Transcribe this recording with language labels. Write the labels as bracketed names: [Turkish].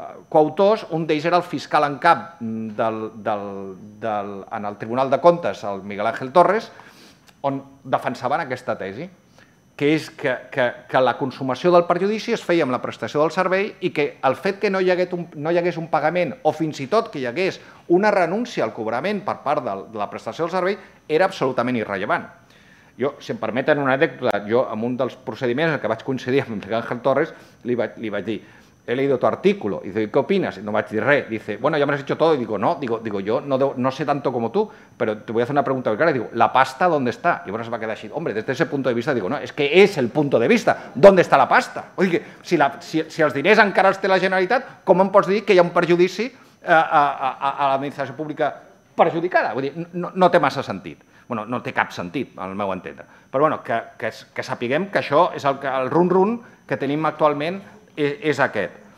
[Catalan] coautors, un d'ells era el fiscal en cap en el Tribunal de Comptes, el Miguel Ángel Torres, on defensaven aquesta tesi, que és que la consumació del perjudici es feia amb la prestació del servei i que el fet que no hi hagués un pagament o fins i tot que hi hagués una renúncia al cobrament per part de la prestació del servei era absolutament irrellevant. Jo, si em permeten una anècdota, jo en un dels procediments en què vaig coincidir amb Miguel Ángel Torres li vaig dir, [Spanish] he leído tu artículo, [Catalan] i dic, [Spanish] ¿qué opinas? [Catalan] I no vaig dir res. [Spanish] Dice, bueno, ya me has hecho todo. I digo, no, digo yo no sé tanto como tú, pero te voy a hacer una pregunta muy clara. I digo, ¿la pasta dónde está? [Catalan] I bueno, se va quedar així. [Spanish] Hombre, desde ese punto de vista, digo, no, es que es el punto de vista. ¿Dónde está la pasta? [Catalan] O sigui, si els diners encara els té la Generalitat, com em pots dir que hi ha un perjudici a l'administració pública perjudicada? Vull dir, no té massa sentit. Bueno, no té cap sentit, al meu entendre. Però bueno, que sapiguem que això és el run-run que tenim actualment és aquest.